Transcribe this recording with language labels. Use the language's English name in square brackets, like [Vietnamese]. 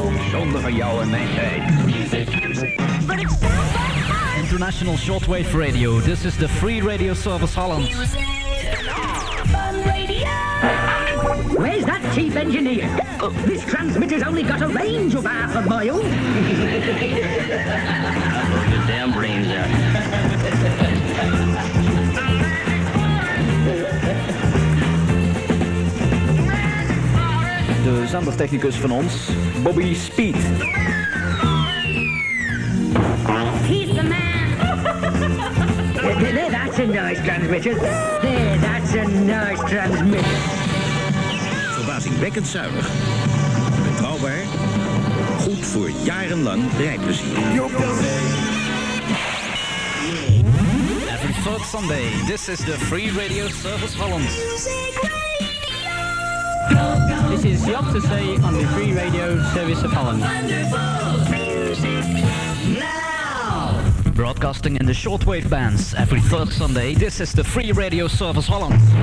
[Dutch] Zonder van jou en mijn tijd. [English] International Shortwave Radio, this is the Free Radio Service Holland. Where's that chief engineer? This transmitter's only got a range of half a mile. Your damn brains out. [Dutch] De zendertechnicus van ons, Bobby Speed. [English] He's the man. That's a nice transmitter. That's a nice transmitter. [Dutch] Verbazingwekkend zuinig. Betrouwbaar. Goed voor jarenlang rijplezier. Joop ter Zee. [English] Every third Sunday, this is the Free Radio Service Holland. This is Joop ter Zee on the Free Radio Service of Holland. Wonderful music now! Broadcasting in the shortwave bands every third Sunday, this is the Free Radio Service Holland.